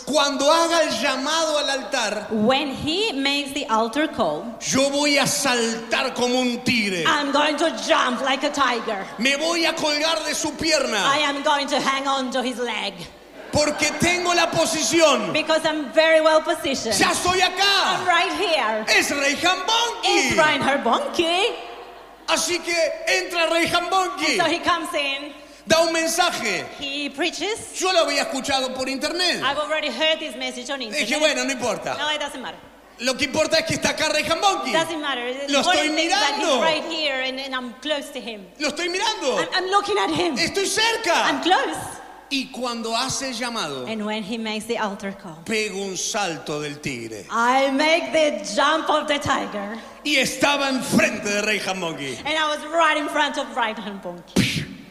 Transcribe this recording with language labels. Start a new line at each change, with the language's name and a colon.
Spanish: cuando haga el llamado al altar,
English: when he makes the altar call,
Spanish: yo voy a saltar como un tigre.
English: I'm going to jump like a tiger.
Spanish: Me voy a colgar de su pierna.
English: I am going to hang on to his leg.
Spanish: Porque tengo la posición.
English: Because I'm very well positioned.
Spanish: Ya estoy acá.
English: I'm right here.
Spanish: Es Rey Hambonki.
English: It's Reinhard Bonnke.
Spanish: Así que entra Rey Hambonki.
English: So he comes in.
Spanish: Da un mensaje.
English: He preaches.
Spanish: Yo lo había escuchado por internet.
English: I've already heard this message on internet.
Spanish: Dije, bueno, no importa.
English: No, it doesn't matter.
Spanish: Lo que importa es que está acá Rey Hambonki.
English: Doesn't matter.
Spanish: Lo estoy mirando.
English: He's right here and I'm close to him.
Spanish: Lo estoy mirando.
English: I'm looking at him.
Spanish: Estoy cerca.
English: I'm close.
Spanish: Y cuando hace el llamado,
English: and when he makes the altar call,
Spanish: pego un salto del tigre.
English: I make the jump of the tiger.
Spanish: Y estaba enfrente de Rey Hambonki.
English: And I was right in front of Rey Hambonki.